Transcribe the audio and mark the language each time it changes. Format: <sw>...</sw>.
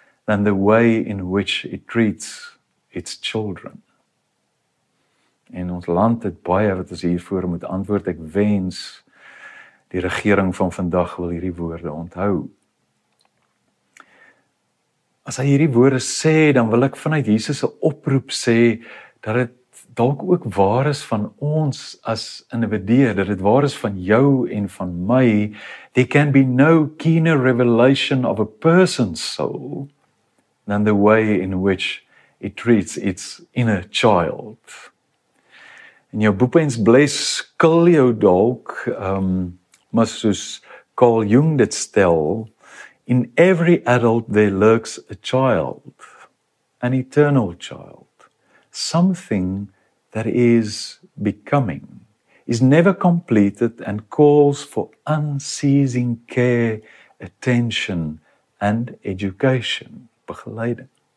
<en>than the way in which it treats its children.</en> <af>En ons land het baie wat ons hiervoor moet antwoord. Ek wens die regering van vandag wil hierdie woorde onthou. As hy hierdie woorde sê, dan wil ek vanuit Jesus se oproep sê, dat het dalk ook waar is van ons as individue, dat het waar is van jou en van my.</af> <en>There can be no keener revelation of a person's soul than the way in which it treats its inner child.</en> <af>En jou boepens bles skil jou dalk, maar soos Carl Jung dit stel,</af> <en>in every adult there lurks a child, an eternal child, something that is becoming, is never completed and calls for unceasing care, attention and education, begeleiding.</en>